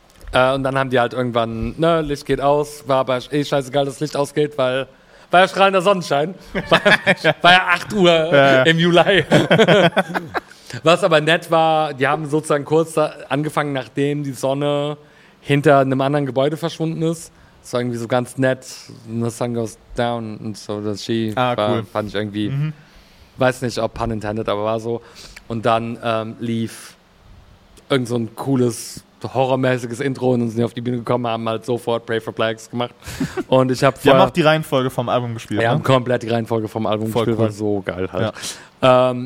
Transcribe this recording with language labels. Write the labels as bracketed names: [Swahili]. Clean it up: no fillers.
[German] Und dann haben die halt irgendwann, ne, Licht geht aus, war aber eh scheißegal, dass Licht ausgeht, weil war ja strahlender Sonnenschein. War ja 8 Uhr im Juli. Was aber nett war, die haben sozusagen kurz angefangen, nachdem die Sonne hinter einem anderen Gebäude verschwunden ist. Das war irgendwie so ganz nett. [English] The sun goes down and so does she. [German] Ah, cool. Fand ich irgendwie, weiß nicht, ob pun intended, aber war so. Und dann lief irgend so ein cooles horrormäßiges Intro und sind auf die Bühne gekommen, haben halt sofort Pray for Plagues gemacht. Und ich habe vorher. Die haben auch die Reihenfolge vom Album gespielt. Wir haben komplett die Reihenfolge vom Album voll gespielt, cool. War so geil halt. Ja.